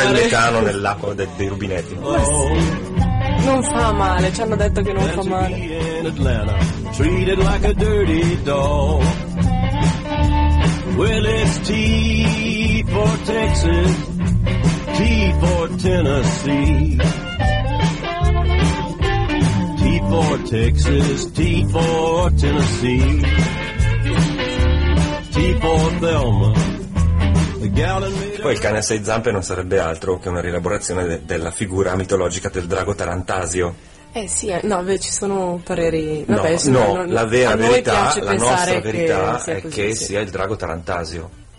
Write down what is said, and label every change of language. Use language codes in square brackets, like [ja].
[it] Ancora il metano nell'acqua dei rubinetti. Ma sì. Non non fa male, ci hanno detto che non fa male. [en] In Atlanta, treated like a dirty dog. Well, it's T for Texas, T for Tennessee. T for Texas, T for Tennessee. T for Thelma. [it] Poi il cane a sei zampe non sarebbe altro che una rielaborazione della figura mitologica del drago Tarantasio. Eh sì, no, beh, ci sono pareri... Vabbè, no, sono, no, la vera verità, la nostra verità è che sia il drago Tarantasio.